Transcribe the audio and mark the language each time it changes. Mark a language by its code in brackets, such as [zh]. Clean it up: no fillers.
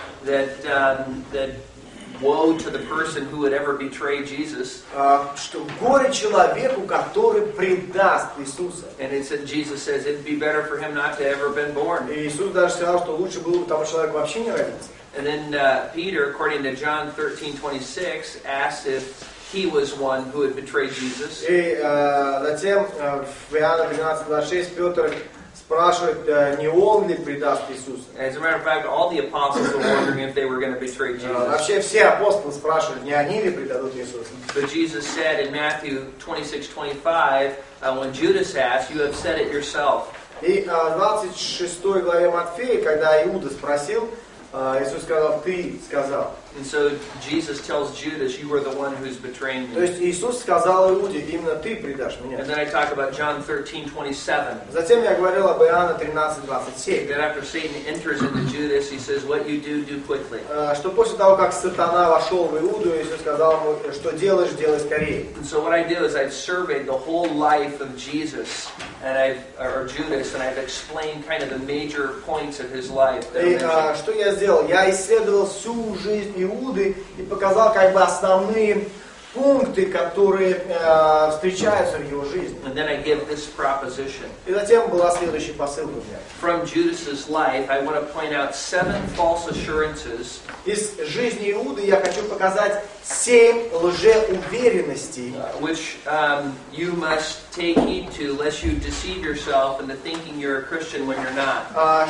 [en] that woe to the person who would ever betray Jesus. [ru] Что горе человеку, который предаст Иисуса. [en] And it said Jesus says it'd be better for him not to ever been born. [ru] И Иисус даже сказал, что лучше было бы тому человеку вообще не родиться. [en] And then Peter, according to John 13:26, asked if he was one who had betrayed Jesus. [ru] И затем в Иоанна 12:26 Петр спрашивает, не он ли предаст Иисуса. [en] As a matter of fact, all the apostles were wondering if they were going to betray Jesus. [ru] Вообще все апостолы спрашивают, не они ли предадут Иисуса. [en] But Jesus said in Matthew 26:25, when Judas asked, you have said it yourself. [ru] И в 26 главе Матфея, когда Иуда спросил, Иисус сказал, ты сказал. [en] And so Jesus tells Judas, you are the one who is betraying me. [ru] То есть Иисус сказал Иуде, именно ты предашь меня. [en] And then I talk about John 13:27. [ru] Затем я говорил об Иоанна 13:27. [en] That after Satan enters into Judas, he says, what you do quickly. [ru] Что после того, как сатана вошел в Иуду, Иисус сказал ему, что делаешь, делай скорее. [en] And so what I do is I've surveyed the whole life of Jesus, and or Judas, and I've explained kind of the major points of his life. [ru] Что я сделал? Я исследовал всю жизнь Иуды и показал как бы основные пункты, которые встречаются в его жизни. [en] And then I give this proposition. [ru] И затем была следующая посылка у меня. [en] From Judas's life, I want to point out seven false assurances. [ru] Из жизни Иуды я хочу показать семь лжеуверенностей. [en] Which you must take heed to, lest you deceive yourself into thinking you're a Christian when you're not.